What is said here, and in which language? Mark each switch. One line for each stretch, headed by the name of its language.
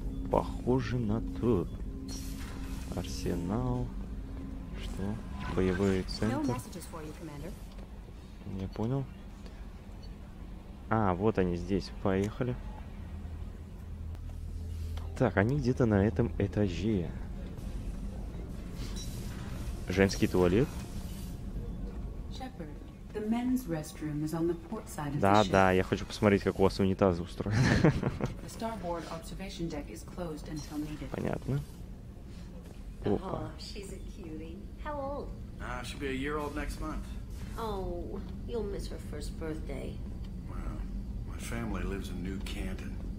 Russian: Похоже на тот. Арсенал. Что? Боевой центр. Не понял. А, вот они здесь. Поехали. Так, они где-то на этом этаже. Женский туалет?
English: Shepherd, the men's restroom is on the port side of
Russian: да,
English: the ship.
Russian: Да, я хочу посмотреть, как у вас унитазы устроены.
English: The starboard observation deck is closed until needed.
Russian: Понятно.
English: Опа. Oh, she's a cutie. How old? She'll be a year old next month. Oh, you'll miss her first birthday. Well, my family lives in New Canton.